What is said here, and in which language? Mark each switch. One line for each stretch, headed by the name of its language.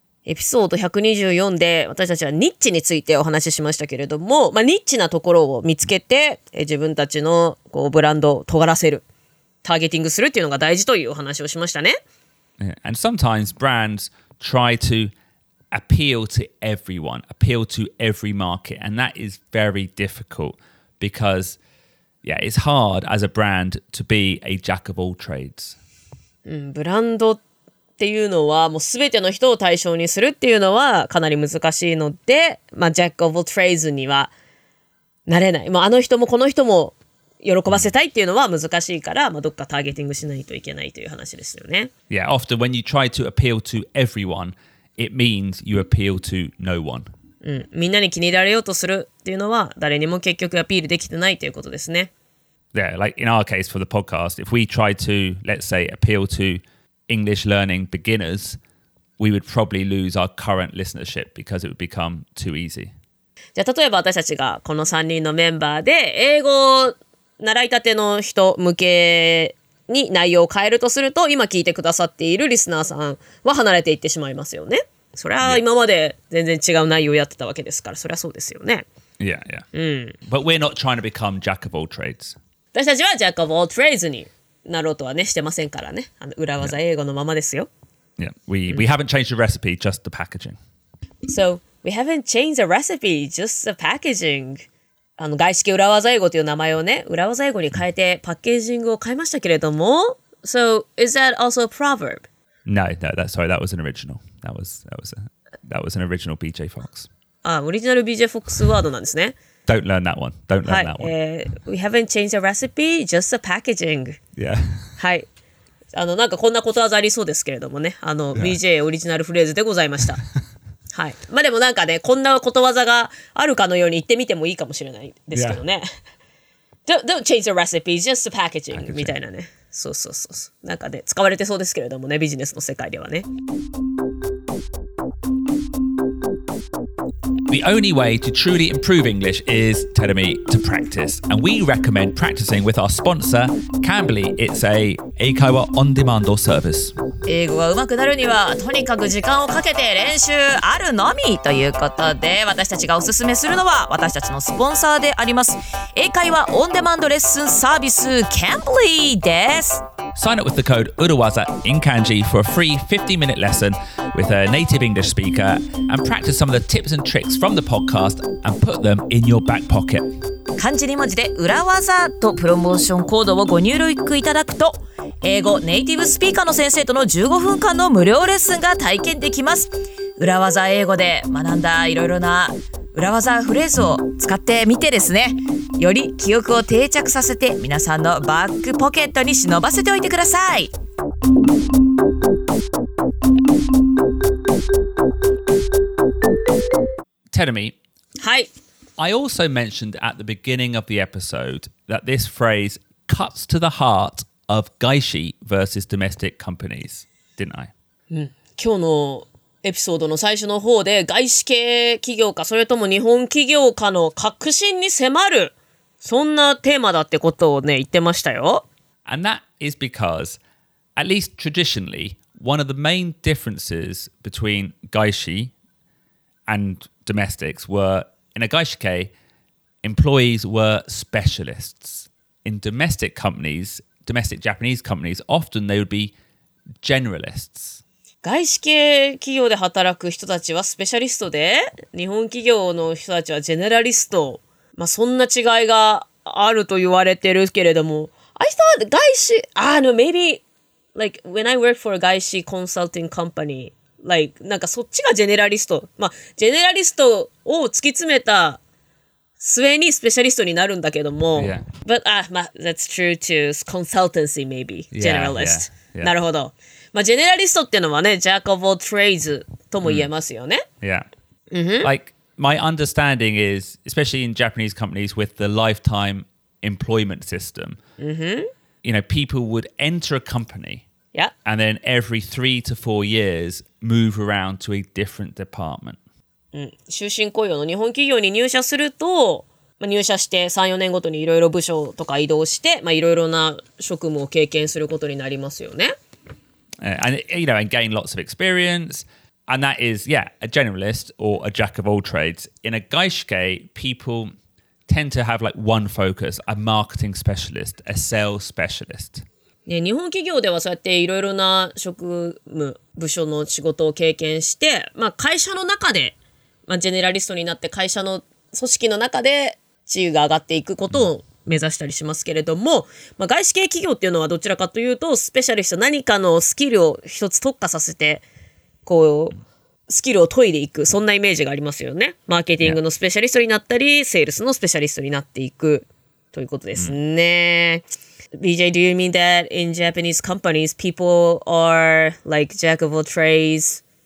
Japanese: エピソード124で私たちはニッチについてお話ししましたけれども、まあ、ニッチなところを見つけて自分たちのこうブランドを尖らせる、ターゲティングするっていうのが大事というお話をしましたね。
English: Yeah. And sometimes brandsTry to appeal to everyone, appeal to every market. And that is very difficult because, yeah, it's hard as a brand to be a jack of all trades.
Japanese: ブランドっていうのは、もうすべての人を対象にするっていうのはかなり難しいので、まあ、jack of all trades にはなれない。もうあの人もこの人も喜ばせたいっていうのは難しいから、まあ、どっかターゲティングしないといけないという話ですよね。
English: Yeah, often when you try to appeal to everyone, it means you appeal to no one.
Japanese: うん、みんなに気に入られようとするっていうのは、誰にも結局アピールできてないということですね。
English: Yeah, like in our case for the podcast, if we try to, let's say, appeal to English learning beginners, we would probably lose our current listenership because it would become too easy.
Japanese: じゃあ例えば私たちがこの3人のメンバーで英語を習いたての人向けに内容を変えるとすると、今聞いてくださっているリスナーさんは離れていってしまいますよね。それは今まで全然違う内容をやってたわけですから、それはそうですよね。
English: Yeah, yeah. But we're not trying to become jack of all trades.
Japanese: 私たちは jack of all trades になろうとはね、してませんからね。あの裏技英語のままですよ。
English: Yeah, we haven't changed the recipe, just the packaging. So, we haven't changed the recipe, just the packaging.
Japanese: あの外資系裏技英語という名前をね、裏技英語に変えてパッケージングを変えましたけれども、
English: So, is that also a proverb? No, that was an original. That was an original BJ Fox.
Japanese: ああ、オリジナル BJ Fox ワードなんですね。
English: Don't learn that one. Don't learn that one.、はい、we haven't changed the recipe, just the packaging. Yeah.
Japanese: はい。あの、なんかこんなことわざありそうですけれどもね、あの、BJ オリジナルフレーズでございました。はい、まあでもなんかね、こんなことわざがあるかのように言ってみてもいいかもしれないですけどね。Yeah.
English: don't change the recipe, just the packaging
Japanese: みたいなね。そうそうそう。なんかね、使われてそうですけれどもね、ビジネスの世界ではね。
English: The only way to truly improve English is, tell me, to practice. And we recommend practicing with our sponsor, Cambly. It's a 英会話 on demand service.
Japanese: 英語が上手くなるには、とにかく時間をかけて練習あるのみということで、私たちがおすすめするのは、私たちのスポンサーであります。英会話 on demand レッスンサービス、Cambly です。
English: Sign up with the code URAWAZA in kanji for a free 50-minute lesson with a native English speaker and practice some of the tips and tricks from the podcast and put them in your back pocket.
Japanese: 漢字2文字で URAWAZA とプロモーションコードをご入力いただくと英語ネイティブスピーカーの先生との15分間の無料レッスンが体験できます。 URAWAZA英語で学んだいろいろな URAWAZA フレーズを使ってみてですね、より記憶を定着させて皆さんのバックポケットに忍ばせておいてください。
English: Tell me.
Japanese: はい。
English: I also mentioned at the beginning of the episode that this phrase cuts to the heart of gaishi versus domestic companies, didn't I?
Japanese: 今日のエピソードの最初の方で外資系企業かそれとも日本企業かの核心に迫るそんなテーマだってことをね言ってましたよ。
English: And that is because, at least traditionally, one of the main differences between 外資 and domestics were, in a 外資系, employees were specialists. In domestic companies, domestic Japanese companies, often they would be generalists.
Japanese: 外資系企業で働く人たちはスペシャリストで、日本企業の人たちはジェネラリスト。まあ、そんな違いがあると言われてるけれども。
English: I thought 外資、no, maybe, like, when I work for a 外資 consulting company, like,
Japanese: なんかそっちがジェネラリスト。まあ、ジェネラリストを突き詰めた末にスペシャリストになるんだけども。
English: Yeah. But, まあ、that's true to consultancy, maybe, generalist. Yeah, yeah, yeah.
Japanese: なるほど。まあ、ジェネラリストっていうのはね、Jack of all trades とも言えますよね。
English: Yeah. Mm-hmm. Like, my understanding is, especially in Japanese companies with the lifetime employment system,、 mm-hmm. you know, people would enter a company、 yeah. and then every 3 to 4 years move around to a different department.、
Japanese: うん、終身雇用の日本企業に入社すると、まあ、入社して3、4年ごとにいろいろ部署とか移動して、まあ、いろいろな職務を経験することになりますよね。
English: And, you know, and gain lots of experience. And that is, yeah, a generalist or a jack of all trades. In a gaishike, people tend to have like one focus, a marketing specialist, a sales specialist.
Japanese: ね、日本企業ではそうやっていろいろな職務、部署の仕事を経験して、まあ会社の中で、まあジェネラリストになって会社の組織の中で地位が上がっていくことを、目指したりしますけれども、まあ、外資系企業っていうのはどちらかというとスペシャリスト何かのスキルを一つ特化させてこうスキルを研いでいくそんなイメージがありますよね。マーケティングのスペシャリストになったり、yeah. セールスのスペシャリストになっていくということですね、mm.
English: BJ, do you mean that in Japanese companies people are like jack of all trades?